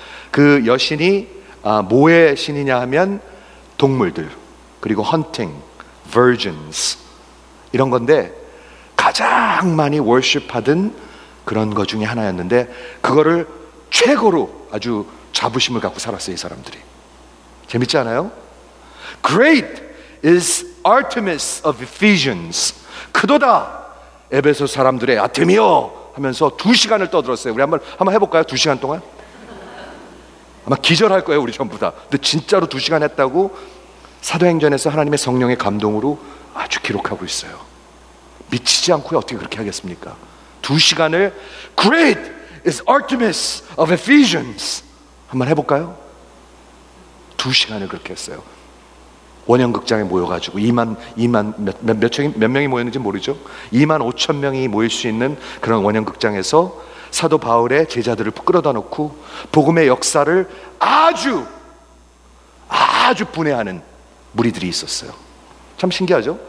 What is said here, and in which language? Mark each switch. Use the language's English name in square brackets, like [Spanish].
[Korean] 그 여신이 뭐의 신이냐 하면 동물들, 그리고 헌팅, virgins, 이런 건데 가장 많이 월십하던 그런 것 중에 하나였는데 그거를 최고로 아주 자부심을 갖고 살았어요, 이 사람들이. 재밌지 않아요? [English] Great is Artemis of Ephesians. [Korean] 크도다 에베소 사람들의 아테미오 하면서 두 시간을 떠들었어요. 우리 한번 해볼까요? 두 시간 동안? 아마 기절할 거예요, 우리 전부 다. 근데 진짜로 두 시간 했다고 사도행전에서 하나님의 성령의 감동으로 아주 기록하고 있어요. 미치지 않고요, 어떻게 그렇게 하겠습니까? 두 시간을 [English] Great is Artemis of Ephesians. [Korean] 한번 해볼까요? 두 시간을 그렇게 했어요. 원형극장에 모여가지고 2만 몇 명이 모였는지 모르죠. 2만 5천 명이 모일 수 있는 그런 원형극장에서 사도 바울의 제자들을 끌어다 놓고 복음의 역사를 아주 아주 분해하는 무리들이 있었어요. 참 신기하죠.